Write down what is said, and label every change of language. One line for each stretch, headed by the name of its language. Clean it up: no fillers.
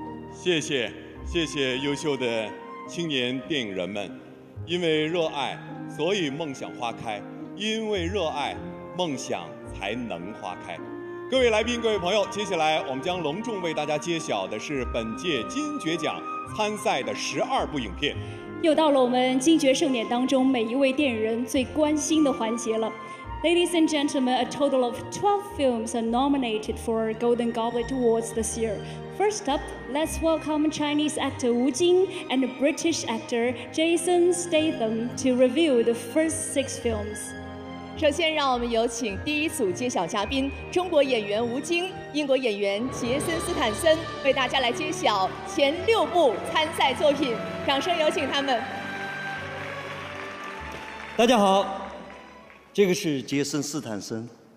Chinese: 谢谢，谢谢优秀的青年电影人们，因为热爱，所以梦想花开，因为热爱，梦想才能花开。各位来宾，各位朋友，接下来我们将隆重为大家揭晓的是本届金爵奖参赛的12部影片。又到了我们金爵盛典当中每一位电影人最关心的环节了。
English: Ladies and gentlemen, a total of 12 films are nominated for Golden Goblet Awards this year. First up, let's welcome Chinese actor Wu Jing and British actor Jason Statham to review the first 6 films.
Chinese: 首先让我们有请第一组揭晓嘉宾，中国演员吴京、英国演员杰森·斯坦森，为大家来揭晓前6部参赛作品，掌声有请他们。大家好，这个是杰森·斯坦森。